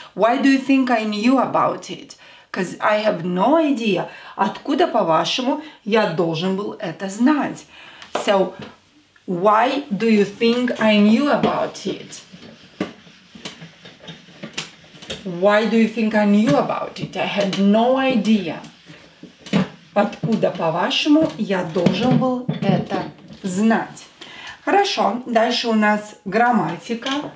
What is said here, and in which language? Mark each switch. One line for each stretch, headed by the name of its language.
English: Why do you think I knew about it? Because I have no idea.
Russian: Откуда, по-вашему, я должен был это знать?
English: So, why do you think I knew about it? Why do you think I knew about it? I had no idea.
Russian: Откуда, по-вашему, я должен был это знать? Хорошо, дальше у нас грамматика.